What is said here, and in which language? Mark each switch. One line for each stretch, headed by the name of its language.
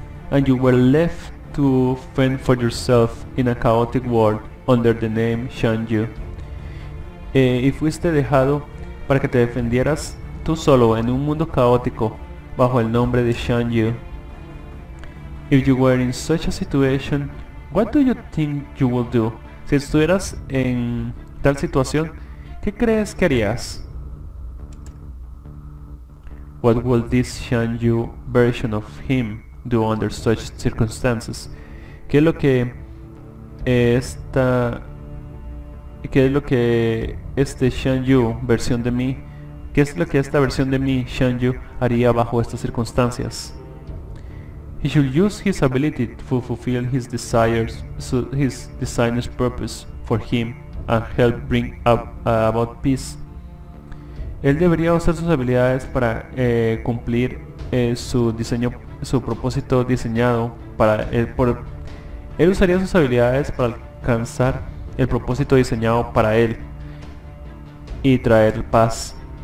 English: And you were left to fend for yourself in a chaotic world under the name Shang Yu.
Spanish: Y fuiste dejado para que te defendieras tú solo en un mundo caótico bajo el nombre de Shang Yu.
English: If you were in such a situation, what do you think you would do?
Spanish: Si estuvieras en tal situación, ¿qué crees que harías?
English: What would this Shang Yu version of him do under such circumstances?
Spanish: ¿Qué es lo que esta, qué es lo que este Shang Yu versión de mí, qué es lo que esta versión de mí Shang Yu haría bajo estas circunstancias?
English: He should use his ability to fulfill his desires, so his designer's purpose for him, and help bring about peace.
Spanish: Él debería usar sus habilidades para cumplir su diseño, su propósito diseñado para él. Él usaría sus habilidades para alcanzar el propósito diseñado para él y traer paz.